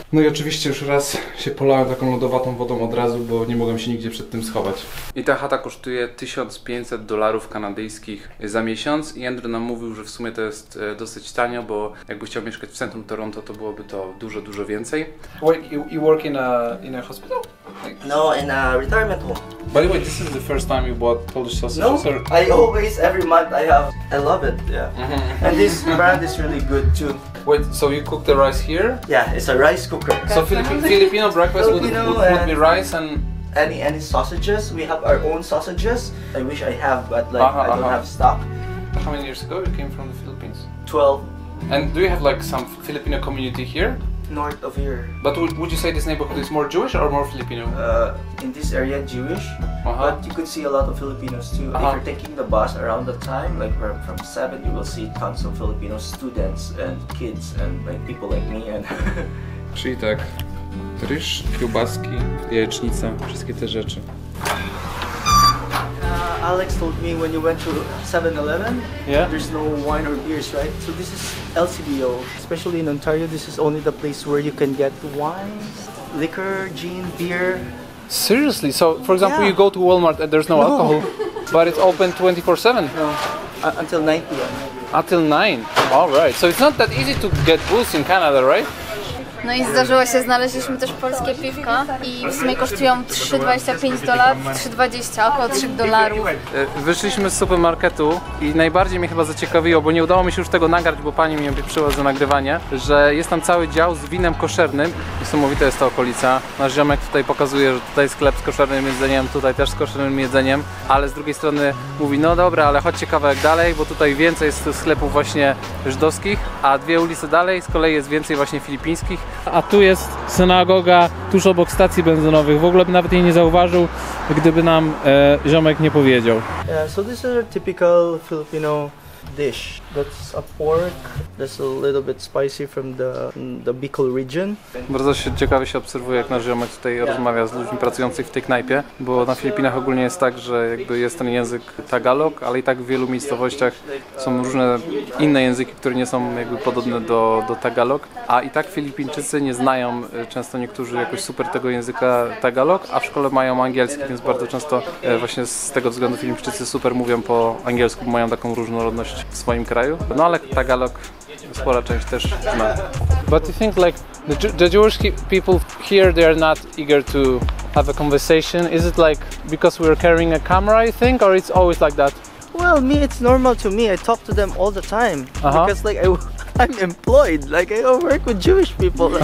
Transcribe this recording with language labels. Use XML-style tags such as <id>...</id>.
<pl>No i oczywiście już raz się polałem taką lodowatą wodą od razu, bo nie mogłem się nigdzie przed tym schować. I ta chata kosztuje 1500 dolarów kanadyjskich za miesiąc. I Andrew nam mówił, że w sumie to jest dosyć tanio, bo jakby chciał mieszkać w centrum Toronto, to byłoby to dużo, dużo więcej.</pl> <en>You work in a hospital? No, in a retirement home. By the way, this is the first time you bought Polish sausages? No, or? I always, every month I have, I love it, yeah. Mm-hmm. And this brand is really good too. Wait, so you cook the rice here? Yeah, it's a rice cooker. So Filipino breakfast would be rice and Any sausages, we have our own sausages. I wish I have, but like I don't have stock. How many years ago you came from the Philippines? 12. And do you have like some Filipino community here? North of here. But would you say this neighborhood is more Jewish or more Filipino? In this area, Jewish. Uh-huh. But you could see a lot of Filipinos too. Uh-huh. If you're taking the bus around the time, like from 7, you will see tons of Filipino students and kids and like people like me. And</en> <pl>czyli tak, ryż, kiełbaski, jajecznica, wszystkie te rzeczy.</pl> <en>Alex told me when you went to 7-Eleven, yeah, there's no wine or beers, right? So this is LCBO. Especially in Ontario, this is only the place where you can get wine, liquor, gin, beer. Seriously? So, for example, yeah, you go to Walmart and there's no alcohol, but it's open 24/7? No, until 9 p.m. Until 9? All right. So it's not that easy to get booze in Canada, right?</en> <pl>No i zdarzyło się, znaleźliśmy też polskie piwka i w sumie kosztują 3,25 dolarów, 3,20, około 3 dolarów. Wyszliśmy z supermarketu i najbardziej mnie chyba zaciekawiło, bo nie udało mi się już tego nagrać, bo pani mi opieprzyła za nagrywanie, że jest tam cały dział z winem koszernym. Niesamowita jest ta okolica. Nasz ziomek tutaj pokazuje, że tutaj sklep z koszernym jedzeniem, tutaj też z koszernym jedzeniem, ale z drugiej strony mówi, no dobra, ale chodźcie kawałek dalej, bo tutaj więcej jest sklepów właśnie żydowskich, a dwie ulice dalej z kolei jest więcej właśnie filipińskich. A tu jest synagoga tuż obok stacji benzynowych. W ogóle bym nawet jej nie zauważył, gdyby nam ziomek nie powiedział.</pl> <en>Yeah, so this is a typical Filipino dish. That's a pork. That's a little bit spicy from the Bicol region.</en> <pl>Bardzo się ciekawie się obserwuje, jak nasz ziomek tutaj rozmawia z ludźmi pracujących w tej knajpie, bo na Filipinach ogólnie jest tak, że jakby jest ten język Tagalog, ale i tak w wielu miejscowościach są różne inne języki, które nie są jakby podobne do Tagalog, a i tak Filipińczycy nie znają często niektórzy jakoś super tego języka Tagalog, a w szkole mają angielski, więc bardzo często właśnie z tego względu Filipińczycy super mówią po angielsku, mają taką różnorodność w swoim kraju. No ale Tagalog spora część też zna.</pl> <en>But you think like the Jewish people here, they are not eager to have a conversation? Is it like because we're carrying a camera, you think, or it's always like that? Well, me, it's normal to me. I talk to them all the time. Uh-huh. Because like I'm employed, like I work with Jewish people.</en>